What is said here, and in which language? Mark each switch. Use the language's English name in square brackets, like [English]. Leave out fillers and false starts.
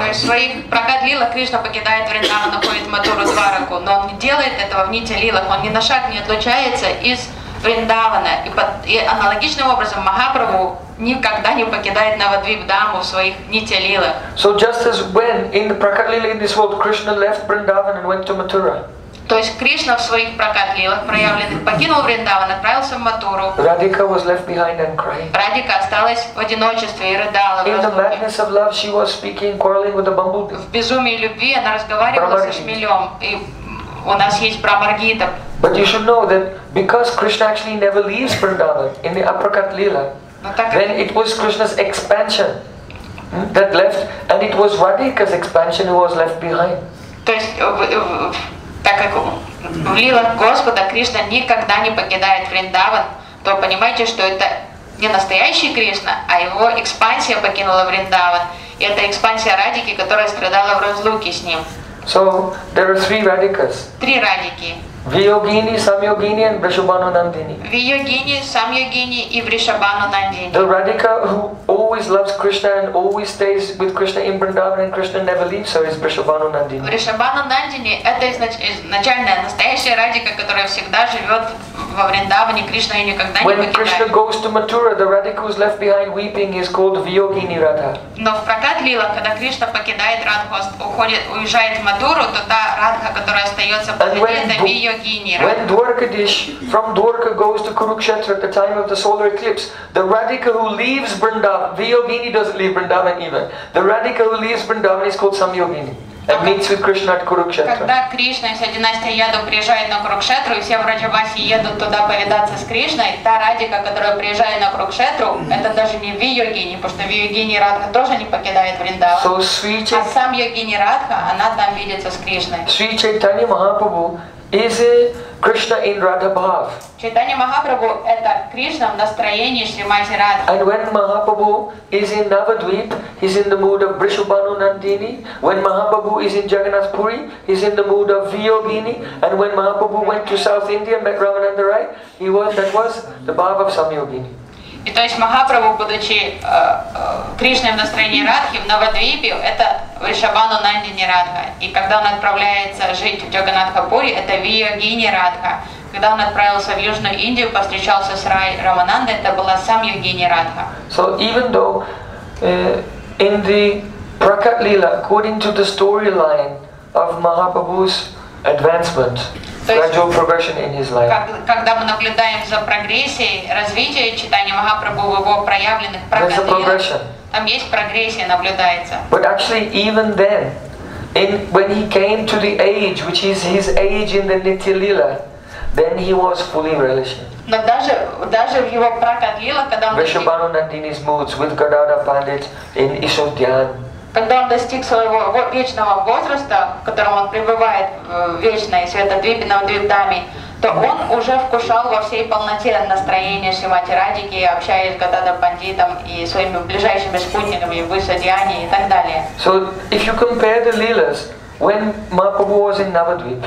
[Russian] То есть свои Prakat Lila Krishna покидает Вриндаван, находит Матуру Двараку, но он не делает этого в Нитья Лилах, он ни на шаг не отлучается из Вриндавана. И аналогичным образом Махапрабху никогда не покидает Навадвип Даму в своих Нитья Лилах. [English] So just as when in the Prakat Lila in this world Krishna left Vrindavan and went to Mathura. [Russian] То есть Кришна в своих Prakat Lilах проявленных покинул Вриндаван, отправился в Матуру. [English] Radhika was left behind and crying. [Russian] Радика осталась в одиночестве и рыдала. [English] In the madness of love she was speaking, quarreling with the bumblebee. [Russian] В безумии любви она разговаривала со шмелем. И у нас есть Прамаргита. [English] But you should know that because Krishna actually never leaves Vrindavan in the Aprakat Lila, then it was Krishna's expansion that left, and it was Radhika's expansion who was left behind. [Russian] То есть, так как в лилах Господа Кришна никогда не покидает Вриндаван, то понимаете, что это не настоящий Кришна, а его экспансия покинула Вриндаван, и это экспансия Радики, которая страдала в разлуке с ним. [English] So there are three radhikas. [Russian] Три радики. [English] Viyogini, Samyogini and Vrishabhanunandini. [Russian] Viyogini, Samyogini и Vrishabhanunandini. [English] The radhika who always loves Krishna and always stays with Krishna in Vrindavan and Krishna never leaves her is Vrishabhanunandini. [Russian] Vrishabhanunandini это изначальная настоящая радика, которая всегда живёт во Вриндаване, Кришна её никогда не [English] when [Russian] покидает. [English] When Krishna goes to Mathura, the radhika who is left behind weeping is called Viyogini Radha. [Russian] Но в Пракат Лила, когда Кришна покидает Радхост, уходит, уезжает в Матуру, то та радха, которая остаётся позади, это [English] When Dwarkadish from Dwarka goes to Kurukshetra at the time of the solar eclipse, the radhika who leaves Vrindavan, Viyogini doesn't leave Vrindavan even. The radhika who leaves Vrindavan is called Samyogini and meets with Krishna at Kurukshetra. [Russian] Когда Кришна и вся династия Ядов приезжает на Курукшетру и все враджаваси едут туда повидаться с Кришной, та радика, которая приезжает на Курукшетру, это даже не Виогини, потому что Виогини Радха тоже не покидает Вриндаван. So Свичи, а сам Йогини Радха, она там видится с Кришной. [English] Шри Чайтанья Махапрабху is it Krishna in Radha Bhav? [Russian] Chaitanya Mahaprabhu это Кришна в настроении Шримати Радха. [English] And when Mahaprabhu is in Navadvip, he's in the mood of Vrishabhanunandini. When Mahaprabhu is in Jagannath Puri, he's in the mood of Viyogini. And when Mahaprabhu went to South India and met Ramananda Rai, he was that was the Bhav of Samyogini. [Russian] И то есть Махапрабху, будучи Кришной в настроении Радхи, в Навадвипе, это Вришабанунандини Радха. И когда он отправляется жить в Джаганатхапури, это Виогини Радха. Когда он отправился в Южную Индию, повстречался с Рай Раманандой, это была сам Йогини Радха. [English] So even though in the Prakat Lila, according to the storyline of Mahaprabhu's advancement, gradual progression in his life. [Russian] Когда мы наблюдаем за прогрессией развития читания Махапрабху в его проявленных прогрессиях, там есть прогрессия наблюдается. [English] But actually, even then, when he came to the age, which is his age in the Nitya Lila, then he was fully relishing. [Russian] Но даже в его Пракат Лила, когда он [English] Vrishabhanu Nandini's moods with Gadadhar Pandit in Ishodhyan. [Russian] Когда он достиг своего вечного возраста, в котором он пребывает вечной Светодвипе Навадвипдхаме, то он уже вкушал во всей полноте настроение Шримати Радхики, общаясь с Гададхар Пандитом и своими ближайшими спутниками в Исадьяне и так далее. [English] So if you compare the lilas, when Mahaprabhu was in Navadvip.